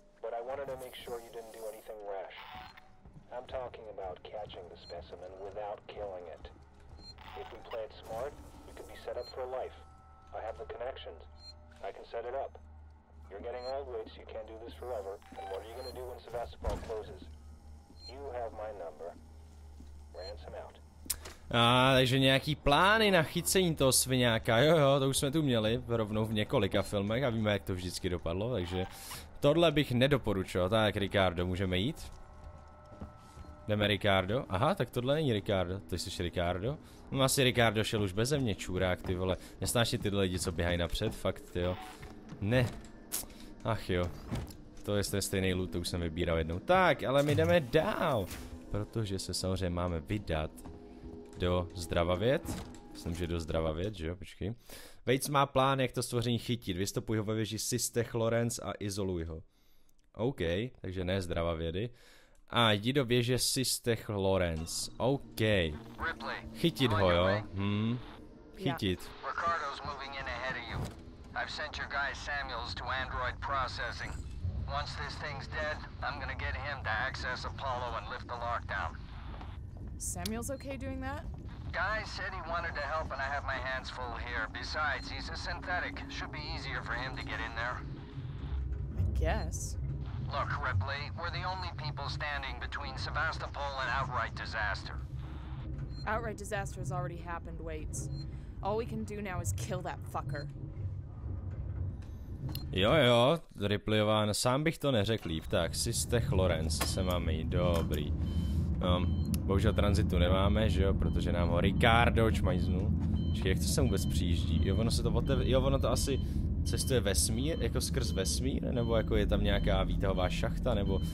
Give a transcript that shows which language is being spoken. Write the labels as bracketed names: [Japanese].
[English] but I wanted to make sure you didn't do anything rash. I'm talking about catching the specimen without killing it. If we play it smart, we could be set up for life. I have the connections. I can set it up. You're getting old, Wade, so you can't do this forever. And what are you going to do when Sevastopol closes? You have my number. Ransom out. [Czech] Takže nějaký plány na chycení toho sviňáka, jo jo, to už jsme tu měli rovnou v několika filmech a víme, jak to vždycky dopadlo, takže tohle bych nedoporučoval. Tak Ricardo, můžeme jít? Jdeme Ricardo, aha, tak tohle není Ricardo, ty jsi Ricardo? No asi Ricardo šel už beze mě, čůrák, ty vole, nesnáši tyhle lidi, co běhají napřed, fakt jo. Ne, ach jo, to je ten stejný loot, to už jsem vybíral jednou. Tak, ale my jdeme dál, protože se samozřejmě máme vydat do Zdravavět. Myslím, že do Zdravavět, že jo, počkej. Vejc má plán, jak to stvoření chytit. Vystupuj ho ve věži Systech Lorenz a izoluj ho. OK, takže ne Zdravavědy. A jdi do věže Systech Lorenz. OK. Chytit ho, jo? Chytit. [English] Ricardo's moving in ahead of you. I've sent your guy Samuels to Android processing. Once this thing's dead, I'm gonna get him to access Apollo and lift the lockdown. Samuel's okay doing that? Guy said he wanted to help and I have my hands full here. Besides, he's a synthetic. Should be easier for him to get in there. I guess. Look, Ripley, we're the only people standing between Sevastopol and outright disaster. Outright disaster has already happened, Waits. All we can do now is kill that fucker. [Czech] Jo jo, Ripleyován, sám bych to neřekl líp. Tak, Systech Lorenz, se máme jít, dobrý. Bohužel tranzitu nemáme, že jo, protože nám ho Ricardo čmajznu. Čekaj, jak to sem vůbec přijíždí? Jo, ono se to jo, ono to asi cestuje vesmír, jako skrz vesmír, nebo jako je tam nějaká výtahová šachta, nebo...